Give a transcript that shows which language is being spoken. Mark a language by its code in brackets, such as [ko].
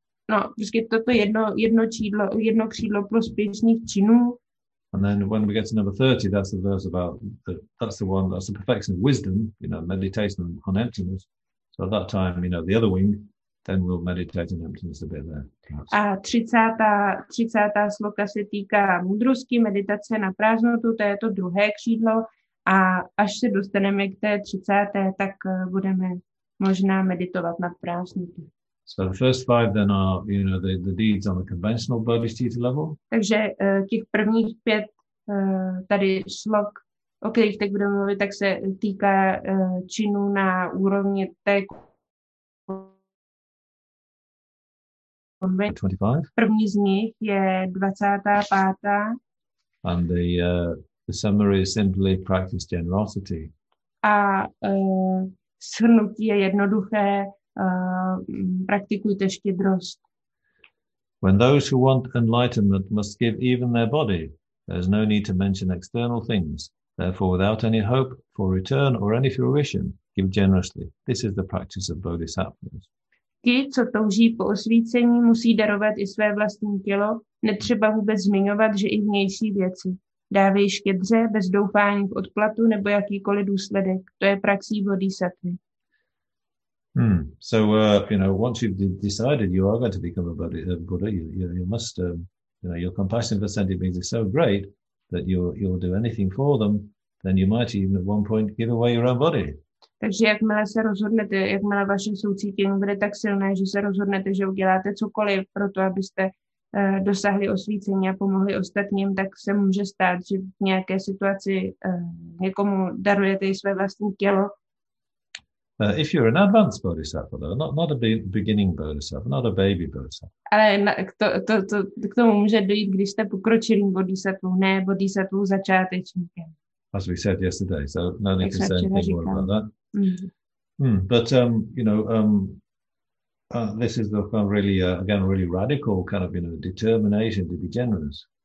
[cs] No, prostě toto jedno křídlo prospěšných činů. [en] And then when we get to number 30, that's the verse about that's the one, that's the perfection of wisdom, you know, meditation on emptiness. So at that time, you know, the other wing, then we'll meditate on emptiness a bit there. [cs] A 30. sloka se týká mudrosti, meditace na prázdnotu, to je to druhé křídlo. A až se dostaneme k té 30., tak budeme možná meditovat na prázdnotu. [en] So the first five then are, you know, the deeds on the conventional bodhicitta level. [cs] Takže těch prvních pět tady slok, o kterých teď budeme mluvit, tak se týká činů na úrovni té 25. První z nich je 25. [en] And the summary is simply practice generosity. [cs] A shrnutí je jednoduché, praktikujte štědrost. [en] When those who want enlightenment must give even their body, there's no need to mention external things. Therefore, without any hope for return or any fruition, give generously. This is the practice of bodhisattvas. [cs] Ti, co touží po osvícení, musí darovat i své vlastní tělo. Netřeba vůbec zmiňovat, že i vnější věci. Dávej štědře bez doufání v odplatu nebo jakýkoliv důsledek. To je praxí bodhisattvy. [en] So you know, once you've decided you are going to become a Buddha, you must, you know, your compassion for sentient beings is so great that you'll do anything for them. Then you might even at one point give away your own body. [cs] Takže jakmile se rozhodnete, jakmile vaše soucítění bude tak silné, že se rozhodnete, že uděláte cokoliv pro to, abyste dosáhli osvícení a pomohli ostatním, tak se může stát, že v nějaké situaci někomu darujete i své vlastní tělo. [en] If you're an advanced bodhisattva, though, not a beginning bodhisattva, not a baby bodhisattva. [cs] Ale k tomu může dojít, když jste pokročilým bodhisattvou, ne bodhisattvou začátečníkem. [en] As we said yesterday, so no need to say anything more about that. Mm-hmm. But you know, this is the kind of really, again, really radical kind of, you know, determination to be generous.